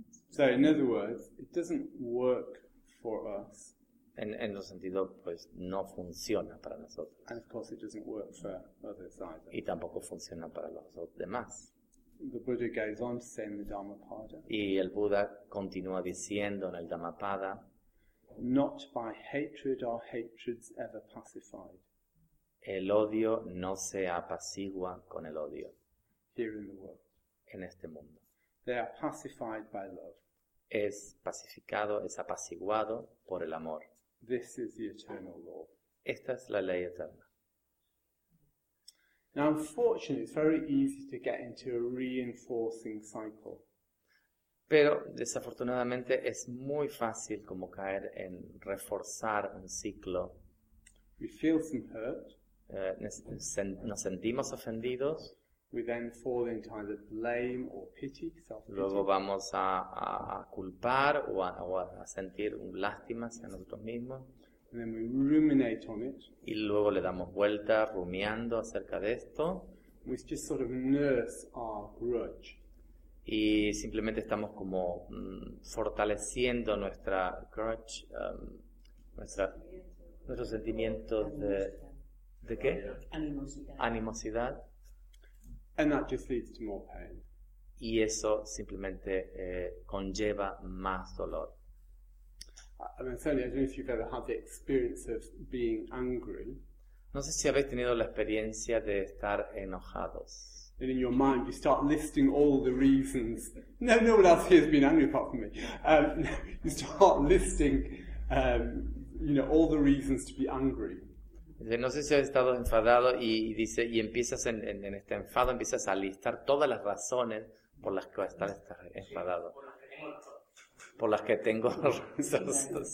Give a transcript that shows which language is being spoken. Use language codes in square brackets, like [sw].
[en] So in other words, it doesn't work for us. [es] En el sentido, pues no funciona para nosotros. [en] And of course, it doesn't work for others either. [es] Y tampoco funciona para los demás. [en] The Buddha goes on to say in the Dhammapada. [es] Y el Buda continúa diciendo en el Dhammapada. [en] Not by hatred are hatreds ever pacified. [es] El odio no se apacigua con el odio. [en] Here in the world. [es] En este mundo. [en] They are pacified by love. [es] Es pacificado, es apaciguado por el amor. [en] This is the eternal law. [es] Esta es la ley eterna. [en] Now, unfortunately, it's very easy to get into a reinforcing cycle. [es] Pero desafortunadamente es muy fácil como caer en reforzar un ciclo. [en] We feel some hurt. [es] Nos sentimos ofendidos. [en] We then fall into either blame or pity, self-pity. [es] Luego vamos a culpar o a sentir lástima hacia nosotros mismos. [en] And then we ruminate on it. [es] Y luego le damos vuelta rumiando acerca de esto. [en] We just sort of nurse our grudge. [es] Y simplemente estamos como fortaleciendo nuestra grudge, nuestros sentimientos de qué? Animosidad. [en] And that just leads to more pain. [es] Y eso simplemente conlleva más dolor. [en] I mean, certainly, I don't know if you've ever had the experience of being angry. [es] No sé si habéis tenido la experiencia de estar enojados. [en] And in your mind, you start listing all the reasons. No one else here has been angry apart from me. You start listing, all the reasons to be angry. [es] No sé si has estado enfadado y empiezas en este enfado, empiezas a listar todas las razones por las que vas a estar enfadado. Por las que tengo razones.